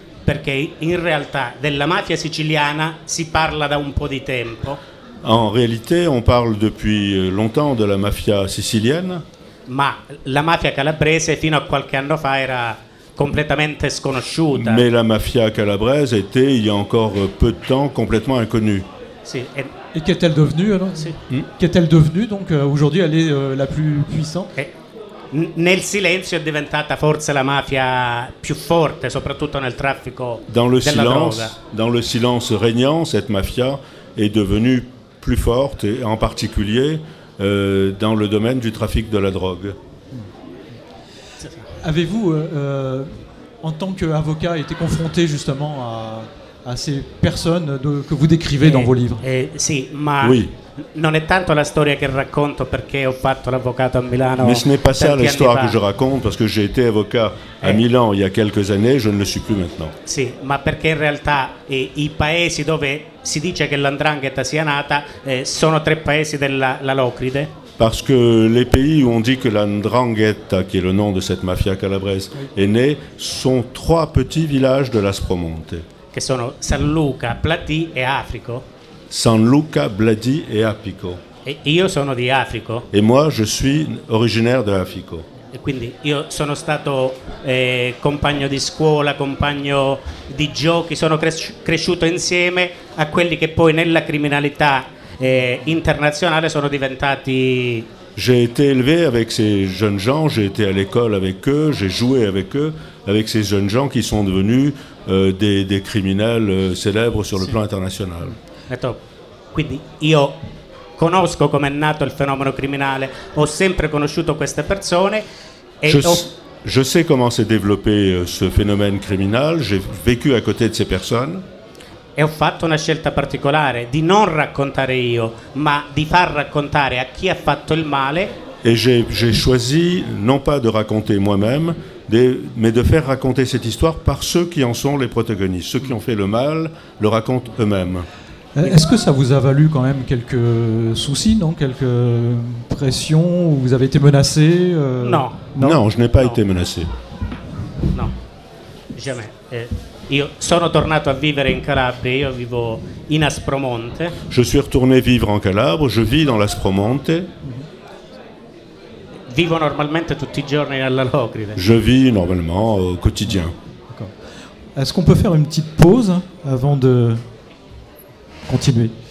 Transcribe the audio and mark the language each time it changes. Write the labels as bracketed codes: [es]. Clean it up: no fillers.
[it] Perché in realtà della mafia siciliana si parla da un po' di tempo. [fr] En réalité, on parle depuis longtemps de la mafia sicilienne. [it] Ma la mafia calabrese fino a qualche anno fa era completamente sconosciuta. [fr] Mais la mafia calabrese était il y a encore peu de temps complètement inconnue. [it] Sì, [fr] et qu'est-elle devenue alors? [it] Sì. [fr] Qu'est-elle devenue donc aujourd'hui? Elle est la plus puissante. [it] Nel silenzio è diventata forse la mafia più forte, soprattutto nel traffico [fr] dans le [it] della [fr] silence, [it] droga. [fr] Dans le silence régnant, cette mafia est devenue plus forte, et en particulier dans le domaine du trafic de la drogue. Avez-vous, en tant qu'avocat, été confronté justement à ces personnes que vous décrivez dans vos livres? [it] Sì, ma oui. Non è tanto la storia che racconto perché ho fatto l'avvocato a Milano. [fr] Mais ce n'est pas ça l'histoire que je raconte parce que j'ai été avocat à Milan il y a quelques années, je ne le suis plus maintenant. [it] Sì, ma perché in realtà i paesi dove si dice che l'andrangheta sia nata sono tre paesi della Locride. [fr] Parce que les pays où on dit que l'andrangheta, qui est le nom de cette mafia calabrese, est né, sont trois petits villages de l'Aspromonte. [it] Che sono San Luca, Platì e Africo. San Luca, Bladi e Apico. E io sono di Africo. [fr] E moi je suis originaire de Africo. [it] E quindi io sono stato compagno di scuola, compagno di giochi, sono cresciuto insieme a quelli che poi nella criminalità internazionale sono diventati. [fr] J'ai été élevé avec ces jeunes gens, j'ai été à l'école avec eux, j'ai joué avec eux, avec ces jeunes gens qui sont devenus des criminels célèbres sur le plan international. [it] Quindi io conosco come è nato il fenomeno criminale, ho sempre conosciuto queste persone e [fr] je sais comment s'est développé ce phénomène criminal, j'ai vécu à côté de ces personnes. [it] E ho fatto una scelta particolare di non raccontare io, ma di far raccontare a chi ha fatto il male. [fr] Et j'ai choisi non pas de raconter moi-même, mais de faire raconter cette histoire par ceux qui en sont les protagonistes, ceux qui ont fait le mal le racontent eux-mêmes. Est-ce que ça vous a valu quand même quelques soucis, non? Quelques pressions? Vous avez été menacé? Non. Non, je n'ai pas été menacé. Non, jamais. [it] Io sono tornato a vivere in Calabria, io vivo in Aspromonte. [fr] Je suis retourné vivre en Calabre, je vis dans l'Aspromonte. [it] Vivo normalmente tutti i giorni alla Locride. [fr] Je vis normalement au quotidien. D'accord. Est-ce qu'on peut faire une petite pause avant de continuer?